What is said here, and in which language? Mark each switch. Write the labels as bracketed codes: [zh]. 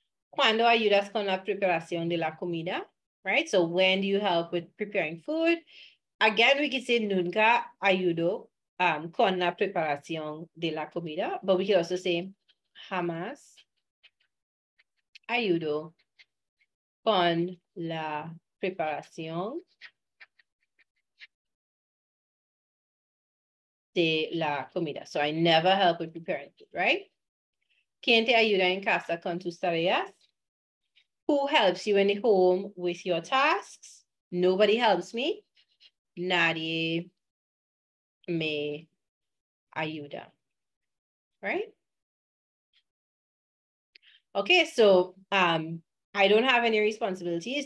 [es] ¿Cuándo ayudas con la preparación de la comida? [en] Right? So when do you help with preparing food? Again, we can say [es] nunca ayudo con la preparación de la comida, [en] but we can also say [es] jamás ayudo con la preparación de la comida. [en] So I never help with preparing food, right? [es] ¿Quién te ayuda en casa con tus tareas? [en] Who helps you in the home with your tasks? Nobody helps me. [es] Nadie me ayuda. [en] Right? Okay, so I don't have any responsibilities.